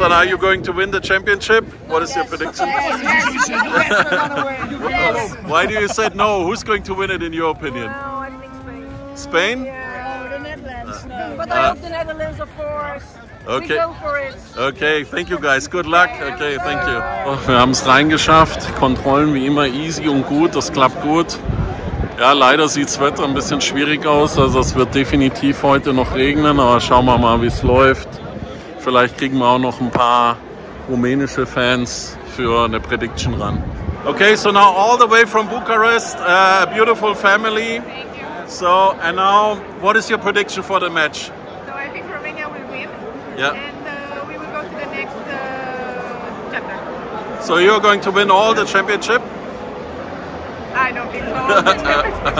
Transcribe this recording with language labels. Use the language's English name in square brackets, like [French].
[English] And are you going to win the championship? What is your prediction? Yes. Why do you say no? Who's going to win it in your opinion? Spain? Yeah. No, the Netherlands. No. But I hope the Netherlands, of course. Okay. We go for it. Okay, thank you guys. Good luck. Okay, thank you. [German] Wir haben es reingeschafft. Kontrollen wie immer easy und gut. Das klappt gut. Ja, leider sieht das Wetter ein bisschen schwierig aus. Also es wird definitiv heute noch regnen. Aber schauen wir mal, wie es läuft. Vielleicht kriegen wir auch noch ein paar rumänische Fans für eine Prediction ran. [English] Okay, so now all the way from Bucharest. A beautiful family. So, and now, what is your prediction for the match? So, I think Romania will win. Yeah. And we will go to the next chapter. So, you're going to win all the championship? I don't think so.